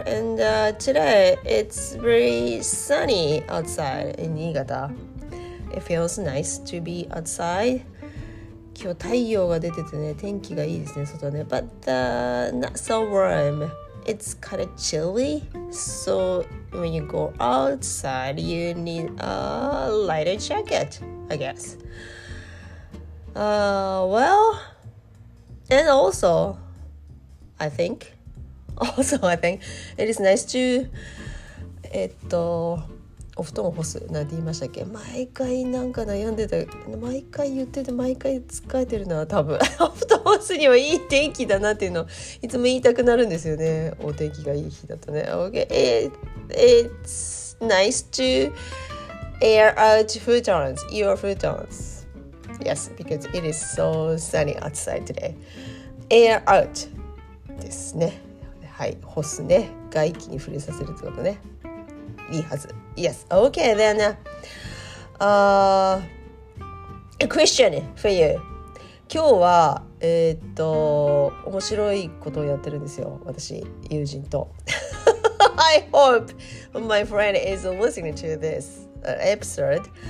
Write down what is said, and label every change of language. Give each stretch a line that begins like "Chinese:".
English: And today, it's very sunny outside in Niigata. It feels nice to be outside.
Japanese: 今日太陽が出ててね、天気がいいですね、外ね。
English: But not so warm. It's kind of chilly. So when you go outside, you need a lighter jacket, I guess. Well, and also, I think it is nice to,
Japanese: お布団を干すなんて言いましたっけ毎回なんか悩んでた毎回言ってて毎回疲れてるな多分お布団干すにはいい天気だなっていうのいつも言いたくなるんですよねお天気がいい日だとね
English: Okay, it's nice to air out futons, your futons. Yes, because it is so sunny outside today.
Japanese: Air out ですねはい、干すね。外気に触れさせるってことね。いいはず。
English: Yes. Okay, then. A question for you.
Japanese: 今日は、面白いことをやってるんですよ。私、友人と。
English: I hope my friend is listening to this episode.